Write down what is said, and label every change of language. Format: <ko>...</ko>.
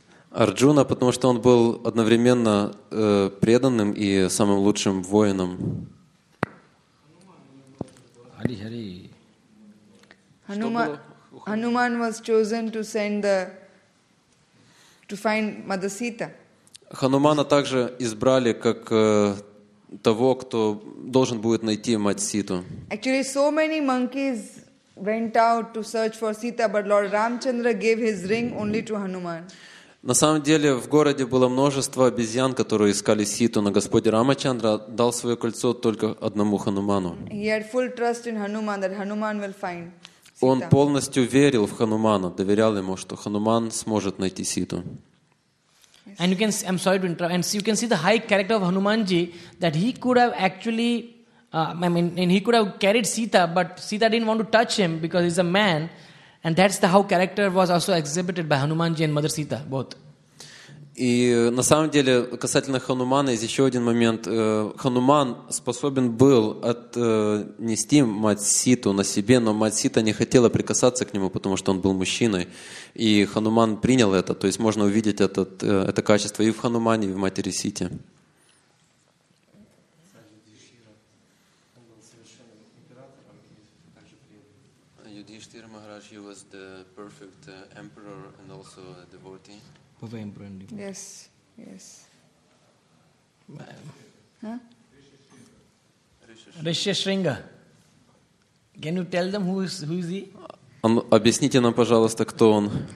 <ru>Арджуна, потому что он был одновременно преданным и самым лучшим воином. Хари.</ru> <en>Хануман was chosen to send the to find Mother Sita.</en> <ru>Ханумана также избрали как того, кто должен будет найти мать Ситу.</ru> <en>Actually, so many monkeys went out to search for Sita, but Lord Ramchandra gave his ring only to Hanuman.</en> <ru>На самом деле в городе было множество обезьян, которые искали Ситу, но Господь Рамачандра дал свое кольцо только одному Хануману.</ru> <en>He had full trust in Hanuman that Hanuman will find.</en> <ru>Он полностью верил в Ханумана, доверял ему, что Хануман сможет найти Ситу.</ru> <en>And you can, I'm sorry to interrupt, and you can see the high character of Hanumanji that he could have actually, and he could have carried Sita, but Sita didn't want to touch him because he's a man, and that's the how character was also exhibited by Hanumanji and Mother Sita both.</en> <ru>И на самом деле, касательно Ханумана, есть еще один момент. Хануман способен был отнести мать Ситу на себе, но мать Сита не хотела прикасаться к нему, потому что он был мужчиной. И Хануман принял это. То есть можно увидеть это качество и в Хануманне, и в матери Сите.</ru> <en>Юдхиштхира Махарадж, he was the perfect emperor and also a devotee. Yes, yes. Rishyashringa. Can you tell them who is he?</en> <ru>Объясните нам, пожалуйста, кто он.</ru>